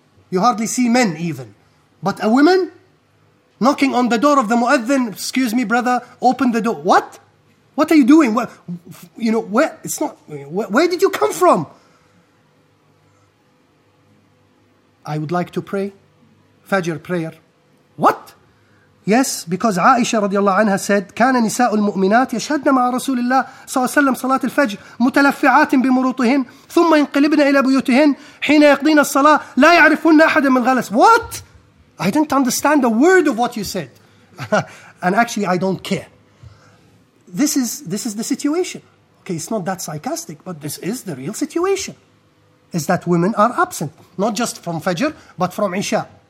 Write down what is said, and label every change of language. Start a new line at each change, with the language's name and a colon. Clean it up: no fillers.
English: You hardly see men even. But a woman knocking on the door of the muezzin, excuse me, brother, open the door. What? What are you doing? Where, you know, where? It's not. Where did you come from? I would like to pray Fajr prayer. What? Yes, because Aisha radiallahu anha said,
Arabic: كان نساء المؤمنات يشهدن مع رسول الله صلى الله عليه وسلم صلاة الفجر متلفعات بمروطهن ثم ينقلبن إلى بيوتهن حين يقضين الصلاة لا يعرفن أحدا من غلس.
English: What? I didn't understand a word of what you said. And actually, I don't care. This is the situation. Okay, it's not that sarcastic, but this is the real situation. Is that women are absent, not just from Fajr, but from Isha.